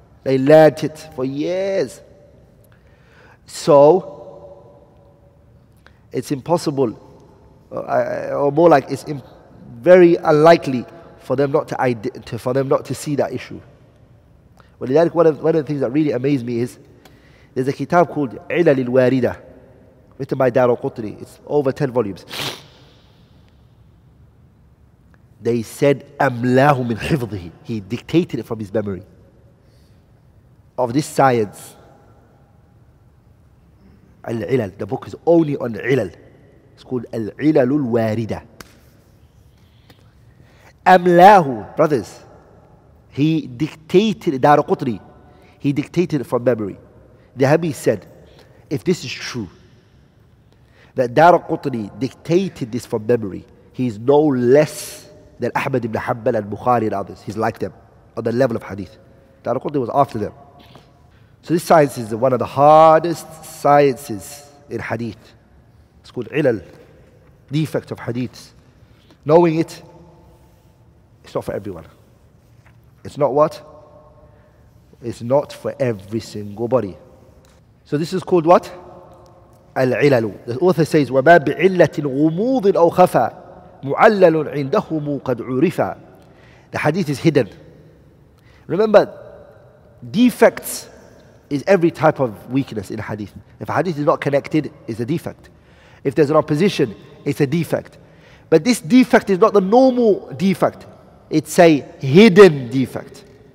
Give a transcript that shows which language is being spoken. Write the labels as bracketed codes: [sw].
[en] They learned it for years. So, it's impossible, very unlikely for them not to see that issue. Well, one of the things that really amazed me is, there's a kitab called Ilal al-Warida, written by Dar al-Qutni. It's over 10 volumes. They said, [ar] أَمْلَاهُ مِنْ حِفْظِهِ. [en] He dictated it from his memory. Of this science, Al-Ilal, the book is only on Ilal. It's called Al-Ilalul Warida. Amlahu, brothers, he dictated, Dar al-Qutni, he dictated it from memory. The Habib said, if this is true, that Dar al-Qutni dictated this from memory, he's no less than Ahmad ibn Hanbal and Bukhari and others. He's like them on the level of hadith. Dar al-Qutni was after them. So this science is one of the hardest sciences in hadith. It's called ilal, defect of hadith. Knowing it, it's not for everyone. It's not what? It's not for every single body. So this is called what? Al-ilalu. The author says, [ar] وَبَابِ عِلَّةِ الْغُمُوضِ الْأَوْخَفَى مُعَلَّلٌ عِنْدَهُمُ قَدْ عُرِفَى. [en] The hadith is hidden. Remember, defects is every type of weakness in hadith. If a hadith is not connected, it's a defect. If there's an opposition, it's a defect. But this defect is not the normal defect. It's a hidden defect.